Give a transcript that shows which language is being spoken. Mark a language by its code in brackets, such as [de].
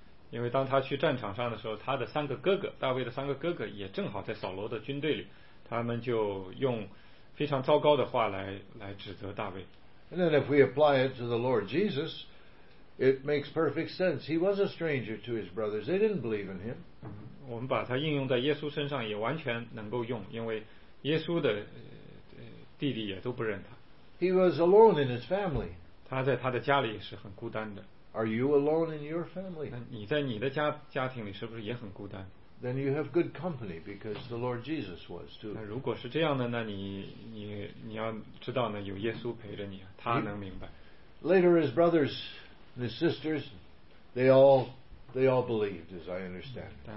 [zh] 因为当他去战场上的时候，他的三个哥哥，大卫的三个哥哥也正好在扫罗的军队里，他们就用非常糟糕的话来指责大卫。 [en] And then if we apply it to the Lord Jesus, it makes perfect sense. He was a stranger to his brothers. They didn't believe in him. [zh] 我们把它应用在耶稣身上也完全能够用，因为耶稣的弟弟也都不认他。 [en] He was alone in his family. [zh] 他在他的家里是很孤单的。 [en] Are you alone in your family? [zh] 你在你的家庭里是不是也很孤单？ [en] Then you have good company because the Lord Jesus was too. [zh] 如果是这样的，那你要知道呢，有耶稣陪着你，他能明白。 [en] Later, his brothers and his sisters, they all believed, as I understand.